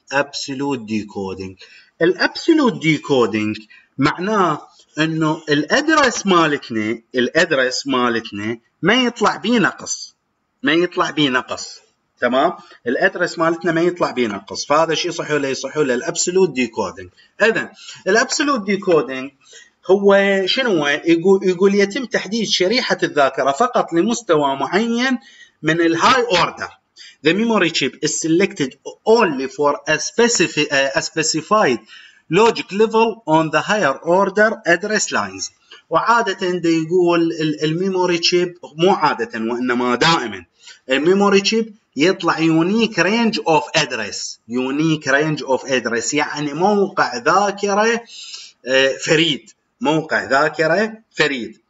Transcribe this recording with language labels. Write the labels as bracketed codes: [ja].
[ar] ابسولوت ديكودينج، الابسولوت ديكودينج معناه انه الادرس مالتنا، الادرس مالتنا ما يطلع بيه نقص، ما يطلع بيه نقص. تمام الادرس مالتنا ما يطلع بيه نقص. فهذا شيء صح ولا يصح ولا الابسولوت ديكودينج؟ اذا الابسولوت ديكودينج هو شنو؟ يقول يتم تحديد شريحه الذاكره فقط لمستوى معين من الهاي اوردر. [en] The memory chip is selected only for a specified logic level on the higher order address lines. [ar] وعادة دي يقول الميموري تشيب، مو عادة وإنما دائما الميموري تشيب يطلع يونيك رينج اوف ادريس. يونيك رينج اوف ادريس يعني موقع ذاكرة فريد، موقع ذاكرة فريد.